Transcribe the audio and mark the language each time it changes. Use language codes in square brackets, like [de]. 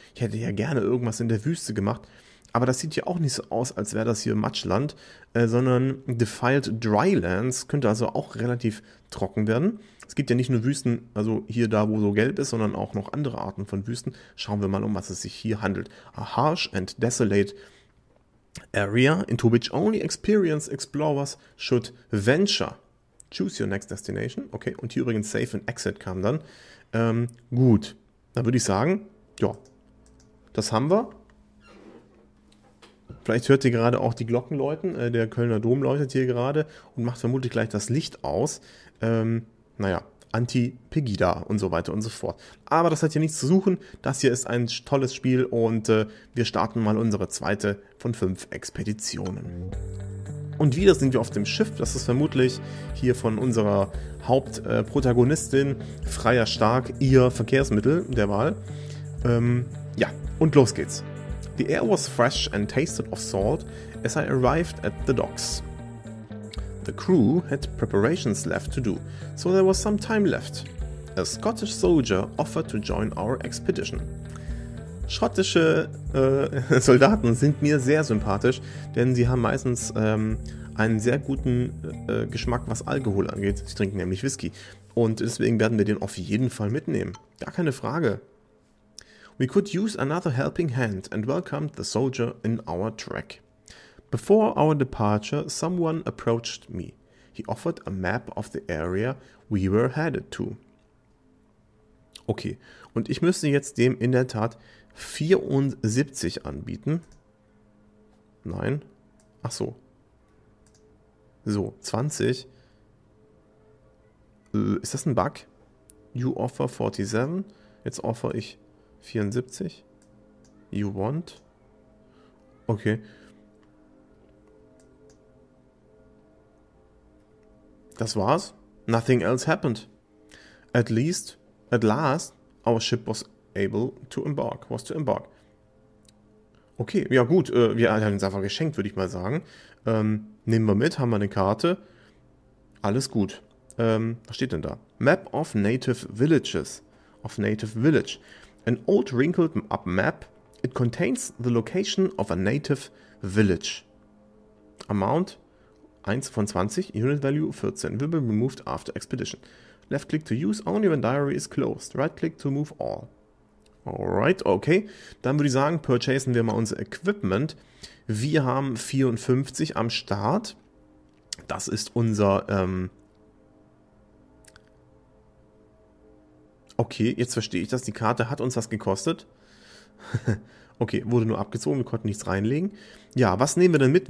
[de] Ich hätte ja gerne irgendwas in der Wüste gemacht, aber das sieht hier auch nicht so aus, als wäre das hier Matschland, sondern Defiled Drylands könnte also auch relativ trocken werden. Es gibt ja nicht nur Wüsten, also hier da, wo so gelb ist, sondern auch noch andere Arten von Wüsten. Schauen wir mal, um was es sich hier handelt. [en] A harsh and desolate area into which only experienced explorers should venture. Choose your next destination. [de] Okay, und hier übrigens Safe and Exit kam dann. Gut, dann würde ich sagen, ja, das haben wir. Vielleicht hört ihr gerade auch die Glocken läuten. Der Kölner Dom läutet hier gerade und macht vermutlich gleich das Licht aus. Naja, Anti-Pegida und so weiter und so fort. Aber das hat hier nichts zu suchen. Das hier ist ein tolles Spiel und wir starten mal unsere zweite von fünf Expeditionen. Und wieder sind wir auf dem Schiff. Das ist vermutlich hier von unserer Hauptprotagonistin Freya Stark ihr Verkehrsmittel der Wahl. Ja, und los geht's. [en] The air was fresh and tasted of salt as I arrived at the docks. The crew had preparations left to do, so there was some time left. A Scottish soldier offered to join our expedition. [de] Schottische Soldaten sind mir sehr sympathisch, denn sie haben meistens einen sehr guten Geschmack, was Alkohol angeht. Sie trinken nämlich Whisky. Und deswegen werden wir den auf jeden Fall mitnehmen. Gar keine Frage. [en] We could use another helping hand and welcomed the soldier in our track. Before our departure, someone approached me. He offered a map of the area we were headed to. [de] Okay, und ich müsste jetzt dem in der Tat 74 anbieten. Nein. Ach so. So, 20. Ist das ein Bug? [en] You offer 47. [de] Jetzt offer ich 74. [en] You want. [de] Okay. Das war's. [en] Nothing else happened. At last, our ship was able to embark. Was to embark. [de] Okay, ja gut. Wir haben es einfach geschenkt, würde ich mal sagen. Nehmen wir mit, haben wir eine Karte. Alles gut. Was steht denn da? [en] Map of Native Villages. Of Native Village. An old wrinkled up map. It contains the location of a native village. Amount 1 von 20. Unit value 14. Will be removed after expedition. Left click to use only when diary is closed. Right click to move all. Alright, okay. [de] Dann würde ich sagen, purchasen wir mal unser Equipment. Wir haben 54 am Start. Das ist unser, okay, jetzt verstehe ich das. Die Karte hat uns was gekostet. Okay, wurde nur abgezogen, wir konnten nichts reinlegen. Ja, was nehmen wir denn mit?